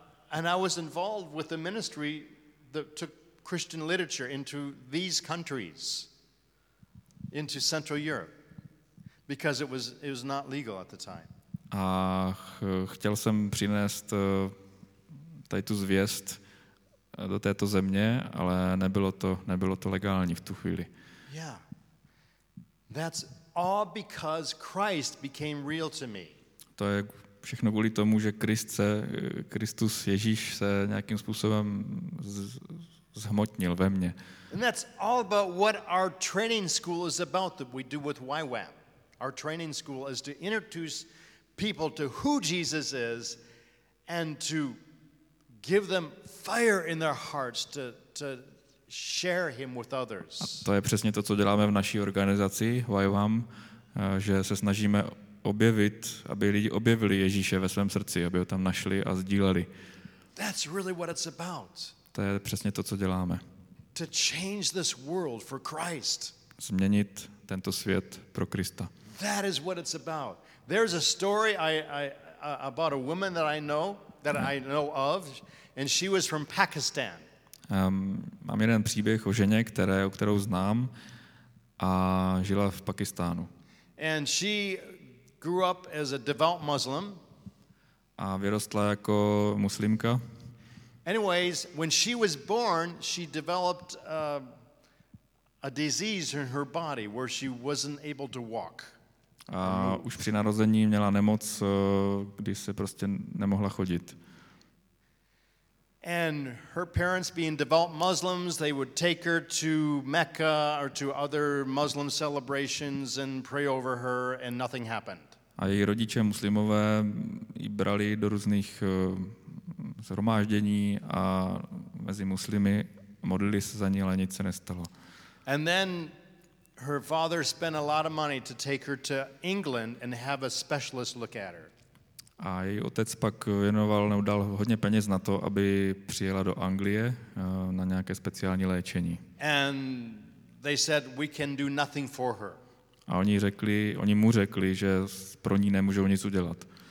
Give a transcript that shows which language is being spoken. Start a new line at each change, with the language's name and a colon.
English: And I was involved with the ministry that took Christian literature into these countries, into Central Europe, because it was not legal at the time.
Czech: A chtěl jsem přinést tady tu zvěst do této země, ale nebylo to legální v tu chvíli.
English: Yeah. That's all because Christ became real to me.
Czech: To je všechno kvůli tomu, že Kristus Ježíš se nějakým způsobem zhmotnil ve mně.
English: And that's all about what our training school is about that we do with YWAM. Our training school is to introduce people to who Jesus is and to give them fire in their hearts to share him with others.
Czech: A to je přesně to, co děláme v naší organizaci YWAM, že se snažíme objevit, aby lidi objevili Ježíše ve svém srdci, aby ho tam našli a sdíleli.
English: That's really what it's about.
Czech: To je přesně to, co děláme.
English: To change this world for Christ.
Czech: Změnit tento svět pro Krista.
English: That is what it's about. There's a story I about a woman that I know. That I know of, and she was from Pakistan.
Czech: Mám jeden příběh o ženě, kterou znám, a žila v Pakistánu.
English: And she grew up as a devout Muslim.
Czech: A vyrostla jako muslimka.
English: Anyways, when she was born, she developed a disease in her body where she wasn't able to walk.
Czech: A už při narození měla nemoc, kdy se prostě nemohla chodit.
English: And her parents, being devout Muslims, they would take her to Mecca or to other Muslim celebrations and pray over her, and nothing happened.
Czech: A její rodiče muslimové ji brali do různých shromáždění a mezi muslimy modlili se za ní, ale nic se nestalo.
English: And then her father spent a lot of money to take her to England and have a specialist look at her.
Czech: A její otec pak věnoval nebo dal hodně peněz na to, aby přijela do Anglie na nějaké speciální léčení.
English: And they said we can do nothing for her.
Czech: A oni mu řekli, že pro ní nemůžou nic udělat.